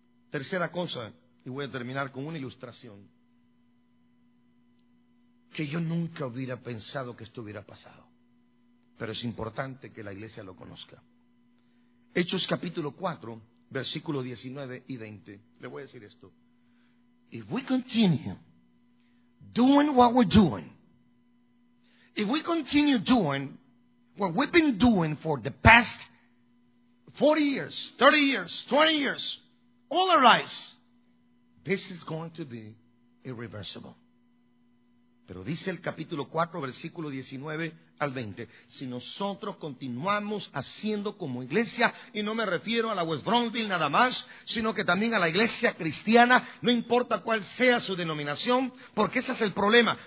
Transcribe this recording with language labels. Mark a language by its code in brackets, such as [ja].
[es] Tercera cosa, y voy a terminar con una ilustración, que yo nunca hubiera pensado que esto hubiera pasado. Pero es importante que la iglesia lo conozca. Hechos capítulo 4, versículo 19 y 20. Le voy a decir esto. [en] If we continue doing what we're doing, if we continue doing what we've been doing for the past 40 years, 30 years, 20 years, all our lives, this is going to be irreversible. [es] Pero dice el capítulo 4, versículo 19 al 20, si nosotros continuamos haciendo como iglesia, y no me refiero a la West Bromfield nada más, sino que también a la iglesia cristiana, no importa cuál sea su denominación, porque ese es el problema.